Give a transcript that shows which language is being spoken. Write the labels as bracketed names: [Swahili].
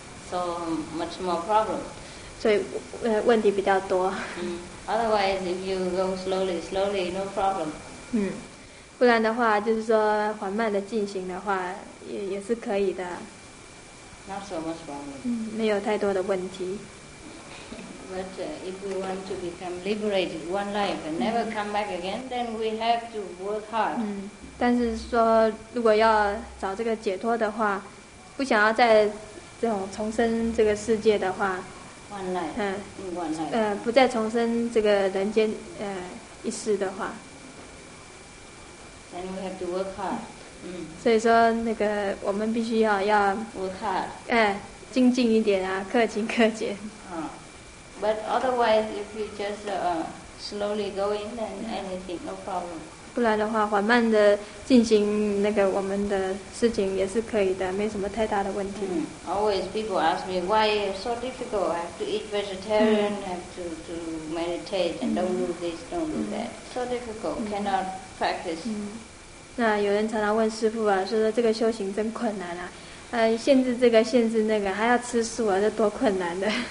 [English] So much more problem. [Chinese] 所以问题比较多。 [English] Otherwise, if you go slowly, no problem. [Chinese] 不然的话，就是说缓慢的进行的话，也是可以的。 [English] Not so much problem. [Chinese] 没有太多的问题。 [English] But if we want to become liberated one life and never come back again, then we have to work hard. [Chinese] 但是说如果要找这个解脱的话，不想要在这种重生这个世界的话 [English] ，one life. one life. [Chinese] 不再重生这个人间一世的话 [English] ，then we have to work hard. [Chinese] 所以说那个我们必须要不怕，精进一点啊，克勤克俭。 [English] But otherwise, if you just slowly go in, then anything, no problem. [Chinese] 不然的话，缓慢的进行那个我们的事情也是可以的，没什么太大的问题。 [English] Always people ask me why it's so difficult. I have to eat vegetarian, have to meditate, and don't do this, don't do that. So difficult, cannot practice. [Chinese] 那有人常常问师父啊，说这个修行真困难啊。限制这个限制那个还要吃素啊，这多困难的。